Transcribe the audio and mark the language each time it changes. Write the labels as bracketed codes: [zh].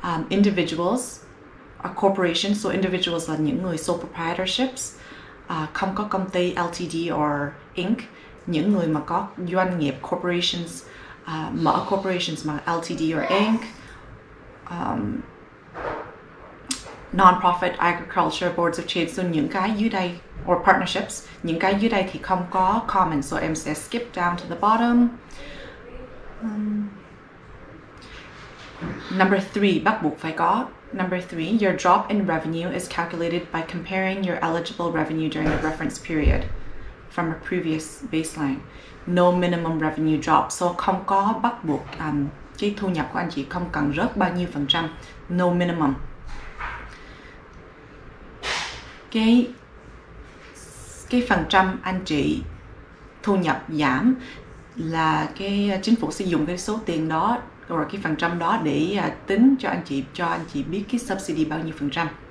[en] individuals, a corporation, [vi] so individuals là những người [en] sole proprietorships, [vi] không có công ty LTD or Inc, những người mà có doanh nghiệp corporations, mở corporations mà LTD or Inc, non-profit, agriculture, boards of trade, so những cái dưới đây, [en] or partnerships, [vi] những cái dưới đây thì không có common, so em sẽ [en] skip down to the bottom. Number three, [vi] bắt buộc phải có. [en] Number three, your drop in revenue is calculated by comparing your eligible revenue during the reference period from a previous baseline. No minimum revenue drop. [vi] So không có bắt buộc, cái thu nhập của anh chị không cần rớt bao nhiêu phần trăm. [en] No minimum. [vi] Cái phần trăm anh chị thu nhập giảm là cái chính phủ sử dụng cái số tiền đó rồi cái phần trăm đó để tính cho anh chị biết cái subsidy bao nhiêu phần trăm.